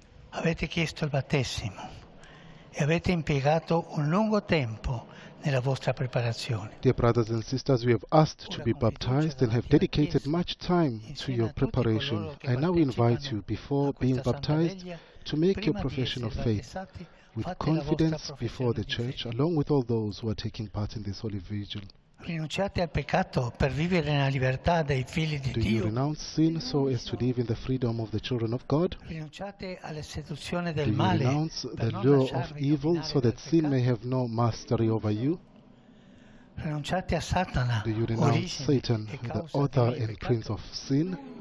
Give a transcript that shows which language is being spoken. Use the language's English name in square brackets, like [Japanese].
[Italian] Avete chiesto il battesimo e avete impiegato un lungo tempo nella vostra preparazione. [English] Dear brothers and sisters, we have asked to be baptized and have dedicated much time to your preparation. I now invite you, before being baptized, to make your profession of faith with confidence before the Church, along with all those who are taking part in this holy vigil. [Italian] Rinunciate al peccato per vivere nella libertà dei figli di Dio. [English] Do you renounce sin so as to live in the freedom of the children of God? [Italian] Rinunciate alla seduzione del male. [English] Do you renounce the lure of evil so that sin may have no mastery over you? [Italian] Rinunciate a Satana. [English] Do you renounce Satan, the author and prince of sin?